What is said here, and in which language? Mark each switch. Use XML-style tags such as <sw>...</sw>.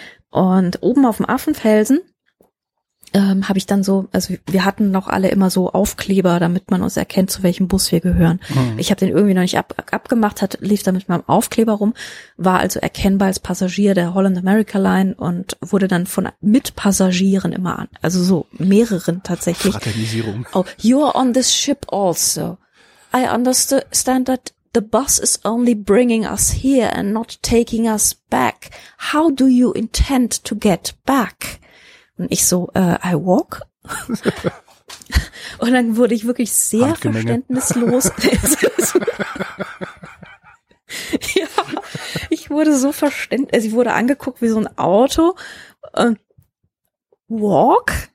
<de>Und oben auf dem Affenfelsen habe ich dann so, also wir hatten noch alle immer so Aufkleber, damit man uns erkennt, zu welchem Bus wir gehören. Mhm. Ich habe den irgendwie noch nicht abgemacht, lief da mit meinem Aufkleber rum, war also erkennbar als Passagier der Holland America Line und wurde dann von Mitpassagieren immer an, also so mehreren tatsächlich. Fraternisierung.</de> <en>Oh, you're on this ship also. I understand that the bus is only bringing us here and not taking us back. How do you intend to get back?</en> <de>Und ich so,</de> <en>I walk.</en> <de>Und dann wurde ich wirklich sehr verständnislos. Ja, ich wurde so verständnislos. Ich wurde angeguckt wie so ein Auto. Walk?</de>